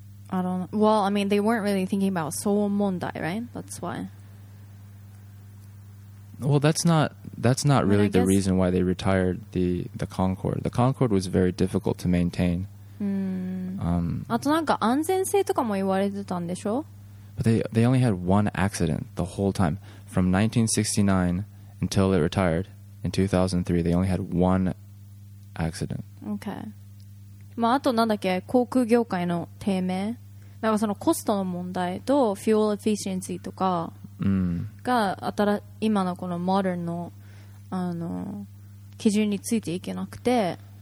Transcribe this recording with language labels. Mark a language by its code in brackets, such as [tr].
[en] I don't know. Well, I mean, they weren't really thinking about Seoul Mondai, right? That's why. Well, that's not really the reason why they retired the Concorde. The Concorde was very difficult to maintain. [ja] あとなんか安全性とかも言われてたんでしょ? [en] But they only had one accident the whole time. From 1969 until it retired in 2003, they only had one accident. [ja] Okay. まああとなんだっけ航空業界の低迷なんかそのコストの問題と fuel efficiency とかが今のこの modern の基準についていけなくて